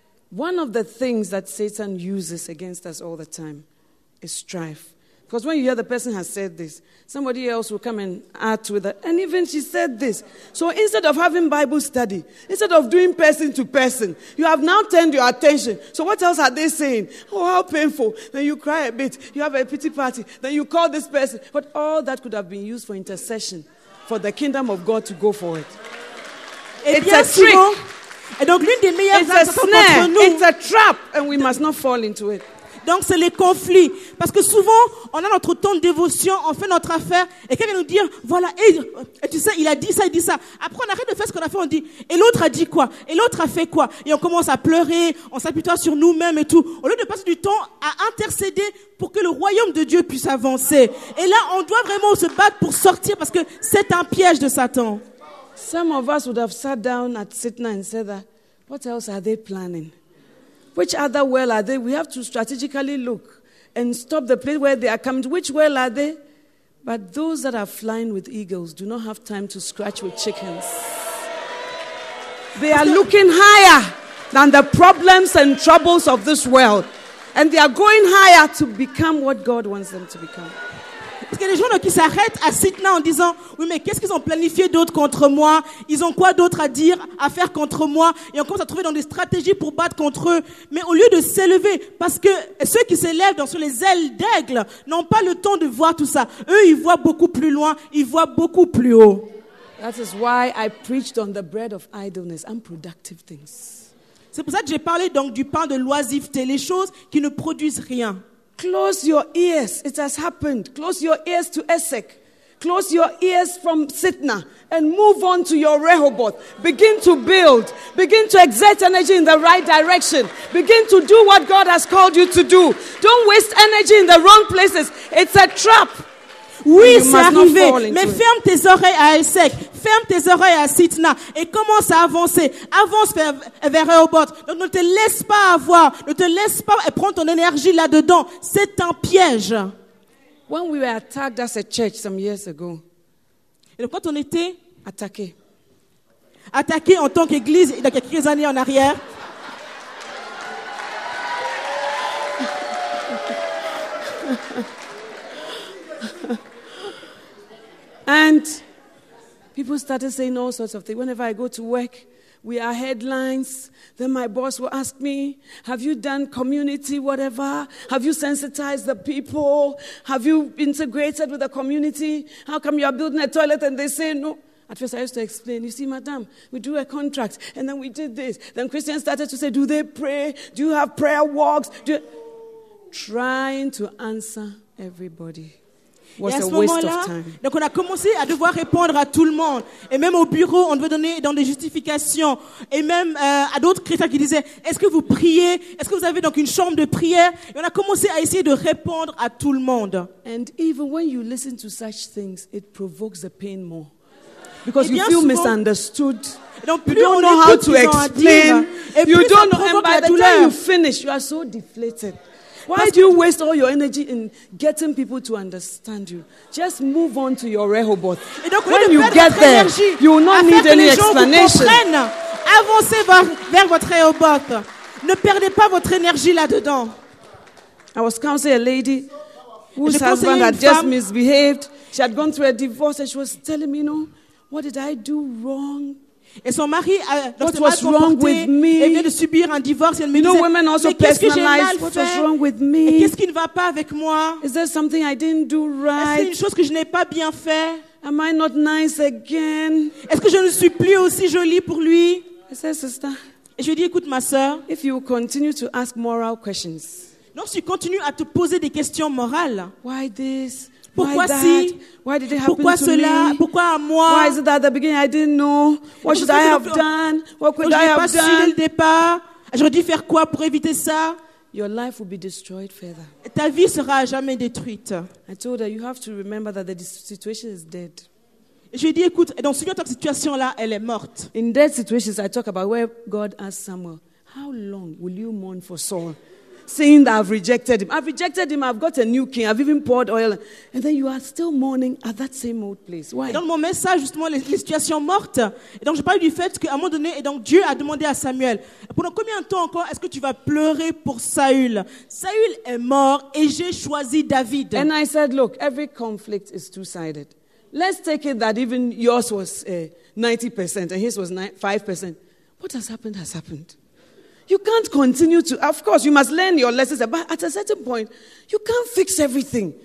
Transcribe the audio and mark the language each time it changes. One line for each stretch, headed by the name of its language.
English: One of the things that Satan uses against us all the time is strife. Because when you hear the person has said this, somebody else will come and add to that. And even she said this. So instead of having Bible study, instead of doing person to person, you have now turned your attention. So what else are they saying? Oh, how painful. Then you cry a bit. You have a pity party. Then you call this person. But all that could have been used for intercession, for the kingdom of God to go for it. It's a trick.
French: Et donc l'une des meilleures
English: it's a snare. It's a trap. And we must not fall into it.
French: Donc c'est les conflits, parce que souvent on a notre temps de dévotion, on fait notre affaire et quelqu'un vient nous dire, voilà, et tu sais, il a dit ça, après on arrête de faire ce qu'on a fait, on dit, et l'autre a dit quoi, et l'autre a fait quoi, et on commence à pleurer, on s'apitoie sur nous-mêmes et tout, au lieu de passer du temps à intercéder pour que le royaume de Dieu puisse avancer, et là on doit vraiment se battre pour sortir parce que c'est un piège de Satan.
English: Some of us would have sat down at Sitna and said that, what else are they planning? Which other well are they? We have to strategically look and stop the place where they are coming. Which well are they? But those that are flying with eagles do not have time to scratch with chickens. They are looking higher than the problems and troubles of this world. And they are going higher to become what God wants them to become.
French: Parce que les gens qui s'arrêtent à Sitna en disant oui mais qu'est-ce qu'ils ont planifié d'autre contre moi, ils ont quoi d'autre à dire, à faire contre moi, et on commence à trouver dans des stratégies pour battre contre eux, mais au lieu de s'élever, parce que ceux qui s'élèvent sur les ailes d'aigle n'ont pas le temps de voir tout ça, eux ils voient beaucoup plus loin, ils voient beaucoup plus haut.
English: That is why I preached on the bread of idleness and productive things.
French: C'est pour ça que j'ai parlé donc du pain de l'oisiveté, les choses qui ne produisent rien.
English: Close your ears. It has happened. Close your ears to Essek. Close your ears from Sitna and move on to your Rehoboth. Begin to build. Begin to exert energy in the right direction. Begin to do what God has called you to do. Don't waste energy in the wrong places. It's a trap.
French: Oui, c'est arrivé. Mais ferme tes oreilles à Essek. Ferme tes oreilles à Sitna et commence à avancer. Avance vers Rehoboth. Donc ne te laisse pas avoir. Ne te laisse pas prendre ton énergie là-dedans. C'est un piège.
English: When we were attacked as a church some years ago.
French: Et donc, quand on était attaqué. Attaqué en tant qu'église il y a quelques années en arrière.
English: And people started saying all sorts of things. Whenever I go to work, we are headlines. Then my boss will ask me, have you done community whatever? Have you sensitized the people? Have you integrated with the community? How come you are building a toilet? And they say, no. At first I used to explain, you see, madam, we do a contract. And then we did this. Then Christians started to say, do they pray? Do you have prayer walks? Do you... Trying to answer everybody. Was
French: et à ce
English: a waste
French: moment-là,
English: of time.
French: Donc on a commencé à devoir répondre à tout le monde. Et même au bureau, on devait donner dans des justifications. Et même à d'autres chrétiens qui disaient, est-ce que vous priez? Est-ce que vous avez donc une chambre de prière? Et on a commencé à essayer de répondre à tout le monde.
English: And even when you listen to such things, it provokes the pain more. Because you feel souvent, misunderstood.
French: Donc
English: you don't know how to explain. You don't know, and by the time you finish, you are so deflated. Why do you waste all your energy in getting people to understand you? Just move on to your Rehoboth. When you get there, you will not need any explanation. Avancez vers votre Rehoboth. Ne perdez pas votre énergie là-dedans. I was counseling a lady whose husband had just misbehaved. She had gone through a divorce and she was telling me, you know, what did I do wrong?
French: Et son mari a vient de subir un divorce. Elle me
English: you
French: disait,
English: know, women also personalize what was wrong with me.
French: Et qu'est-ce qui ne va pas avec moi?
English: Is there something I didn't do right?
French: Est-ce une chose que je n'ai pas bien fait?
English: Am I not nice again?
French: Est-ce que je ne suis plus aussi jolie pour lui?
English: I said, sister.
French: Et je lui dis, écoute, ma sœur.
English: If you continue to ask moral questions.
French: Donc, si tu continues à te poser des questions morales.
English: Why this?
French: Pourquoi
English: why
French: si?
English: Why did it happen
French: pourquoi
English: to
French: cela?
English: Me?
French: Pourquoi à moi?
English: Why is it that at the beginning I didn't know? What should I have done? What could I have done?
French: Je n'ai pas su dès le départ. J'aurais dû faire quoi pour éviter ça?
English: Your life will be destroyed further.
French: Ta vie sera à jamais détruite.
English: I told her you have to remember that the situation is dead.
French: Je lui ai dit, écoute, dans cette situation là, elle est morte.
English: In dead situations, I talk about where God asked Samuel, "How long will you mourn for Saul?" Saying that I've rejected him, I've got a new king, I've even poured oil. And then you are still mourning at that same old place. Why?
French: Et dans mon message, justement, les situations mortes. Et donc, je parle du fait qu'à un moment donné, et donc Dieu a demandé à Samuel, pendant combien de temps encore est-ce que tu vas pleurer pour Saül? Saül est mort et j'ai choisi David.
English: And I said, look, every conflict is two-sided. Let's take it that even yours was 90% and his was 5%. What has happened has happened. You can't continue to, of course, you must learn your lessons, but at a certain point, you can't fix everything.